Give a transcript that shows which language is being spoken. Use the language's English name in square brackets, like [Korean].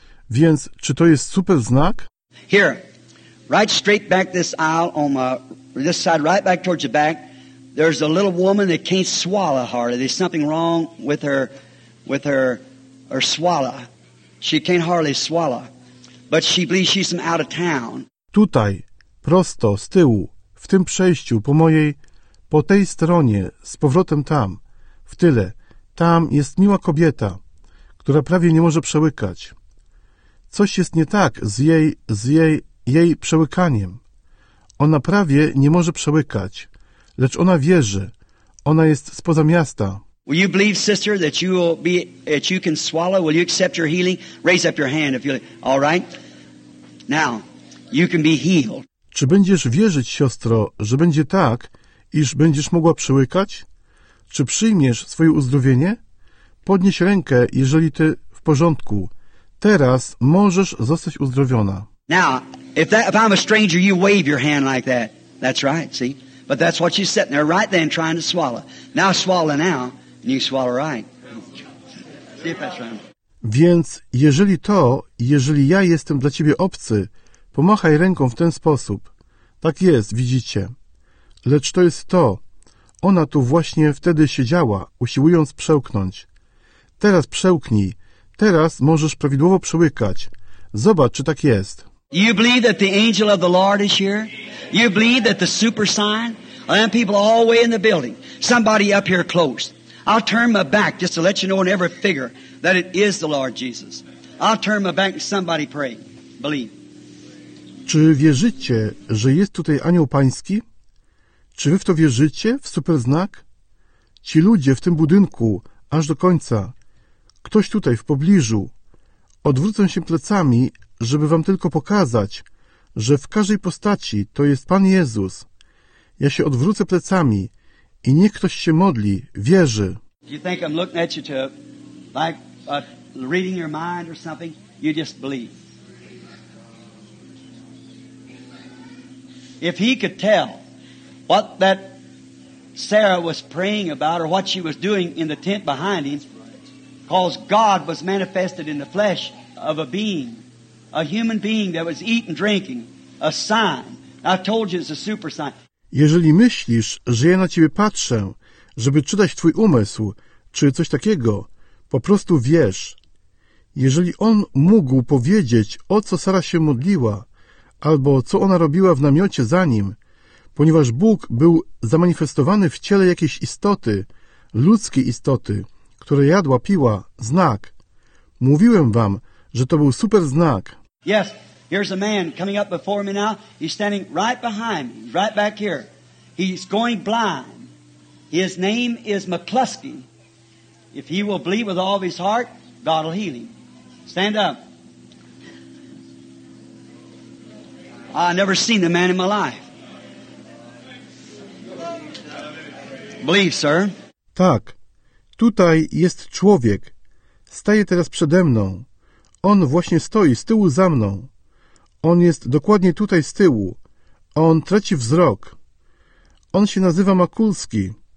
[Polish] Więc czy to jest super znak? [English] Here, right straight back this aisle on my this side, right back towards the back, there's a little woman that can't swallow hardly. There's something wrong with her swallow. She can't hardly swallow. But she believes she's from out of town. [Polish] Tutaj, prosto, z tyłu, w tym przejściu, po tej stronie, z powrotem tam, w tyle, tam jest miła kobieta, która prawie nie może przełykać. Coś jest nie tak z jej przełykaniem. Ona prawie nie może przełykać, lecz ona wierzy. Ona jest spoza miasta. [English] Will you believe, sister, that you will be, that you can swallow? Will you accept your healing? Raise up your hand if you all right. Now, you can be healed. [Polish] Czy będziesz wierzyć, siostro, że będzie tak, iż będziesz mogła przełykać? Czy przyjmiesz swoje uzdrowienie? Podnieś rękę, jeżeli ty w porządku. Teraz możesz zostać uzdrowiona. [English] Now, if I'm a stranger, you wave your hand like that. That's right, see? But that's what you're sitting there right then trying to swallow. Now swallow now, and you swallow right. See if that's right. [Polish] Więc jeżeli ja jestem dla ciebie obcy, pomachaj ręką w ten sposób. Tak jest, widzicie. Lecz to jest to. Ona tu właśnie wtedy siedziała, usiłując przełknąć. Teraz przełknij. Teraz możesz prawidłowo przełykać. Zobacz, czy tak jest. [English] You believe that the angel of the Lord is here? You believe that the super sign? I have people all the way in the building. Somebody up here close. I'll turn my back just to let you know in every figure that it is the Lord Jesus. I'll turn my back and somebody pray. Believe. [Polish] Czy wierzycie, że jest tutaj anioł pański? Czy wy w to wierzycie, w super znak? Ci ludzie w tym budynku, aż do końca. Ktoś tutaj, w pobliżu. Odwrócę się plecami, żeby wam tylko pokazać, że w każdej postaci to jest Pan Jezus. Ja się odwrócę plecami i niech ktoś się modli, wierzy. [English] You think I'm looking at you to like reading your mind or something? You just believe. If he could tell what that Sarah was praying about or what she was doing in the tent behind him, because God was manifested in the flesh of a being, a human being that was eating, drinking, a sign. I told you it's a super sign. [Polish] Jeżeli myślisz, że ja na ciebie patrzę, żeby czytać twój umysł, czy coś takiego, po prostu wierz. Jeżeli on mógł powiedzieć, o co Sara się modliła, albo co ona robiła w namiocie za nim, ponieważ Bóg był zamanifestowany w ciele jakiejś istoty, ludzkiej istoty, która jadła, piła, znak. Mówiłem wam, że to był super znak. [English] Yes, here's a man coming up before me now. He's standing right behind me, right back here. He's going blind. His name is McCluskey. If he will believe with all of his heart, God will heal him. Stand up. I never seen the man in my life. Believe, sir. [Polish] Tak, tutaj jest człowiek. Staje teraz przede mną. On właśnie stoi z tyłu za mną. On jest dokładnie tutaj z tyłu. On traci wzrok. On się nazywa Makulski.